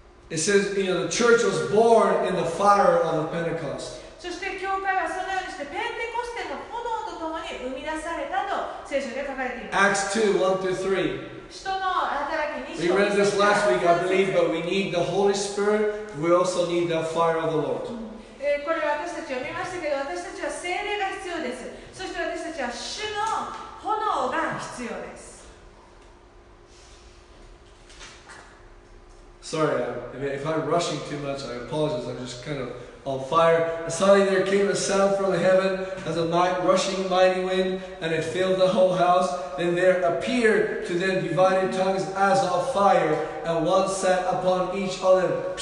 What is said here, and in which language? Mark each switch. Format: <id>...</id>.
<en>It says, you know, the church was born in the fire of the Pentecost.</en> <ja>そして教会はそのようにしてペンテコステの炎とともに生み出されたと聖書で書かれています。</ja> <en>Acts 2:1-3.</en> <ja>使徒の働き2 章。</ja> <en>We read this last week, I believe, but we need the Holy Spirit. We also need the fire of the Lord.</en> <ja>これは私たちを見ましたけど、私たちは聖霊が必要です。そして私たちは主の炎が必要です。</ja> <en>Sorry, if I'm rushing too much, I apologize. I'm just kind of. On fire, suddenly there came a sound from heaven as a night rushing mighty wind, and it filled the whole house. Then there appeared to them divided tongues as of fire, and one sat upon each of them.</en>